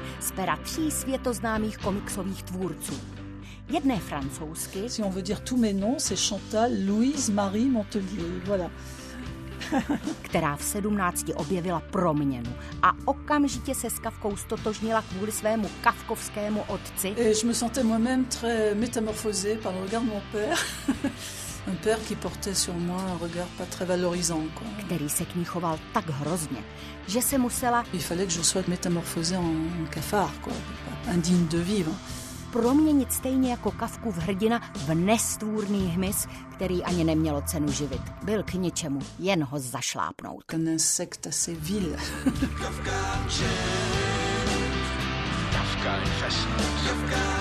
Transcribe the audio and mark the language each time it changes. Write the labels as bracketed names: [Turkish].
[Czech] Z pera tří světoznámých komiksových tvůrců. Jedné francouzsky. [French] Si on veut dire tous mes noms, c'est Chantal Louise Marie Montelier. Voilà. [Czech] Která v 17 objevila proměnu a okamžitě se s Kafkou stotožnila kvůli svému kafkovskému otci. [French] Et je me sentais moi-même très métamorphosée par le regard de mon père. Un père qui portait sur moi un regard pas très valorisant quoi. [Czech] Který se k ní choval tak hrozně, že se musela. [French] Il fallait que je sois métamorphosée en cafard quoi, indigne de vivre. [Czech] Proměnit stejně jako Kafku v hrdina v nestvůrný hmyz, který ani nemělo cenu živit. Byl k ničemu, jen ho zašlápnout. [French] Un insecte assez vil. [Czech] Kafka infestuje.